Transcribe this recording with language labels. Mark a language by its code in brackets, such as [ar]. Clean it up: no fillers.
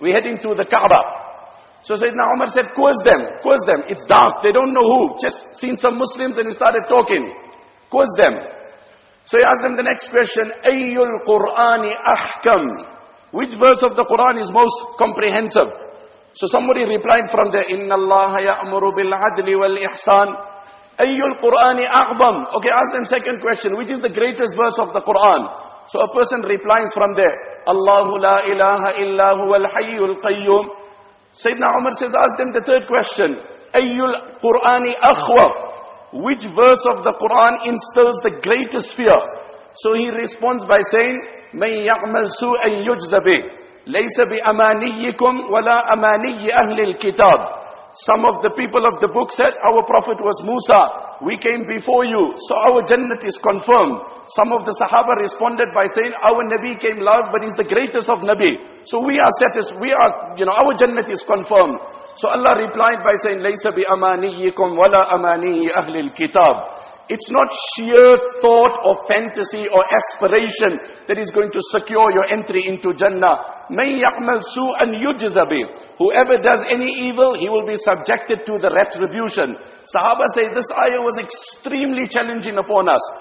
[en] We heading to the Kaaba. So Sayyidina Umar said, Quiz them. It's dark. They don't know who. Just seen some Muslims and he started talking. Quiz them. So he asked them the next question, [ar] Ayyul Qur'ani ahkam? [en] Which verse of the Quran is most comprehensive? So somebody replied from there, [ar] إِنَّ اللَّهَ يَأْمُرُ بِالْعَدْلِ وَالْإِحْسَانِ أَيُّ الْقُرْآنِ أَعْظَمُ. [en] Okay, ask them second question, which is the greatest verse of the Quran? So a person replies from there, [ar] اللَّهُ لَا إِلَهَ إِلَّا هُوَ الْحَيُّ الْقَيُّمُ. [en] Sayyidina Umar says, ask them the third question, [ar] أَيُّ الْقُرْآنِ أَخْوَفُ. [en] Which verse of the Quran instills the greatest fear? So he responds by saying, [ar] مَنْ يَعْمَلْ سُوءًا يُجْزَ بِهِ لَيْسَ بِأَمَانِيِّكُمْ وَلَا أَمَانِيِّ أَهْلِ الْكِتَابِ. [en] Some of the people of the book said, our prophet was Musa, we came before you, so our Jannat is confirmed. Some of the Sahaba responded by saying, our Nabi came last, but he's the greatest of Nabi. So we are satisfied, our Jannat is confirmed. So Allah replied by saying, [ar] لَيْسَ بِأَمَانِيِّكُمْ وَلَا أَمَانِيِّ أَهْلِ الْكِتَابِ. [en] It's not sheer thought or fantasy or aspiration that is going to secure your entry into Jannah. [ar] مَنْ يَعْمَلْ سُوءًا يُجْزَ بِهِ. [en] Whoever does any evil, he will be subjected to the retribution. Sahaba say, this ayah was extremely challenging upon us.